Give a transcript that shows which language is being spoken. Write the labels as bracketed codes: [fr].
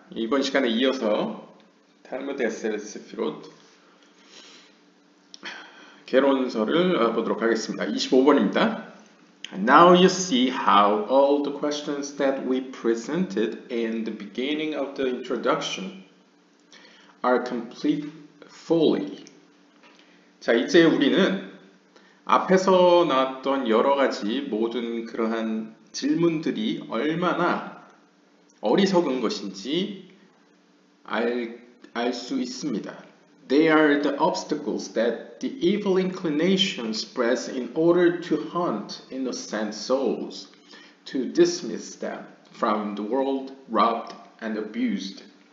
[ko] 이번 시간에 이어서 탈무드 에세스피롯 개론서를 보도록 하겠습니다. 25번입니다. [en] Now you see how all the questions that we presented in the beginning of the introduction are complete folly. [ko] 자, 이제 우리는 앞에서 나왔던 여러 가지 모든 그러한 질문들이 얼마나 어리석은 것인지 알 수 있습니다. [en] They are the obstacles that the evil inclinations press in order to haunt innocent souls, to dismiss them from the world robbed and abused.